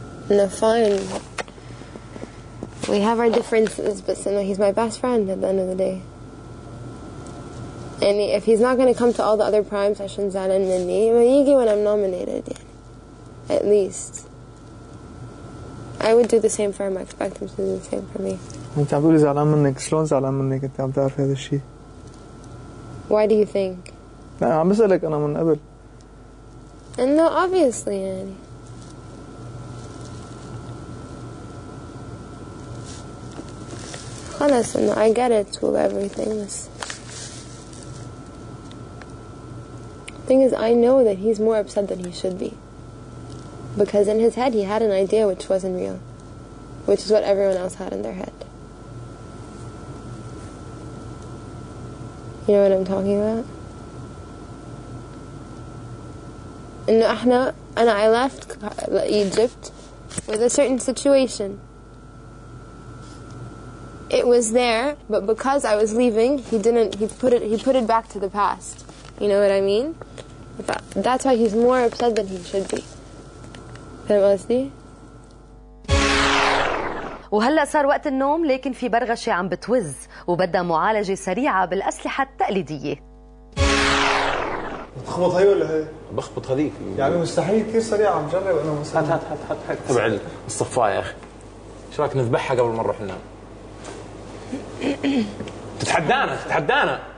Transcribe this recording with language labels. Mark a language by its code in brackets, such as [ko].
[en] No, fine. We have our differences, but he's my best friend at the end of the day. يعني if he's not gonna come to all the other primes [ar] عشان زعلان مني هيجي [en] when I'm nominated يعني at least I would do the same for him I expect him to do the same for me. [ar] انت عم تقولي زعلان منك شلون زعلان منك انت عم تعرف هذا الشيء [en] why do you think [ar] لا عم بسألك انا من قبل [en] and no obviously [ar] يعني خلاص انه [en] I get it to everything بس thing is I know that he's more upset than he should be because in his head he had an idea which wasn't real which is what everyone else had in their head you know what I'm talking about [ar] انه احنا انا [en] I left Egypt with a certain situation it was there but because I was leaving he put it back to the past you know what I mean That's why he's more upset than he should be. [ar] فهم قصدي؟ وهلا صار وقت النوم لكن في برغشة عم بتوز وبدها معالجة سريعة بالأسلحة التقليدية. بتخبط هي ولا هي؟ بخبط هذيك. يعني مستحيل كثير سريعة عم جرب أنا مستحيل. هات هات هات هات تبع الصفاية يا أخي. شو رأيك نذبحها قبل ما نروح ننام؟ تتحدانا تتحدانا.